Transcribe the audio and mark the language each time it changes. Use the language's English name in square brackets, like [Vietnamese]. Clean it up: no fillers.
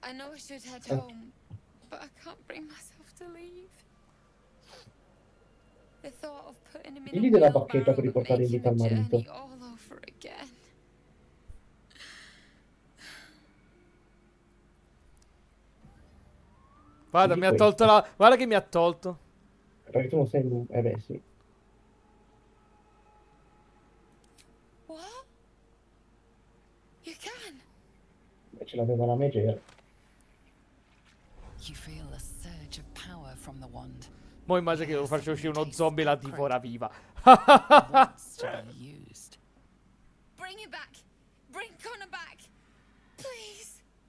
[English] I know I should head home, but I can't bring myself to leave. [Italian] Gli dai la bacchetta per riportare in vita il marito. Guarda, mi ha tolto la... Guarda che mi ha tolto. Perché tu non sei... Eh beh, sì. Ce l'aveva la Megera. [English] You feel a surge of power from the wand. [Italian] Mo immagino che devo farci uscire uno zombie la divora viva. [English] Bring it back. Bring Connor back. Please.